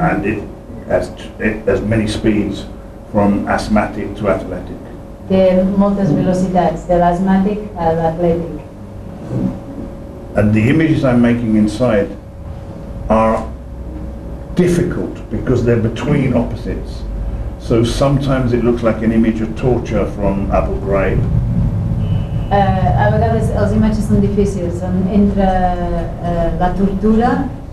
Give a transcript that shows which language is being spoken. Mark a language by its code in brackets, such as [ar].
[en] And it has many speeds, from asthmatic to athletic. [ca] Té moltes velocitats, de l'asmàtic a l'atlètic. [en] And the images I'm making inside are difficult because they're between opposites. So sometimes it looks like an image of torture from Abu Ghraib. [ca] A vegades les imatges són difícils, són entre la tortura.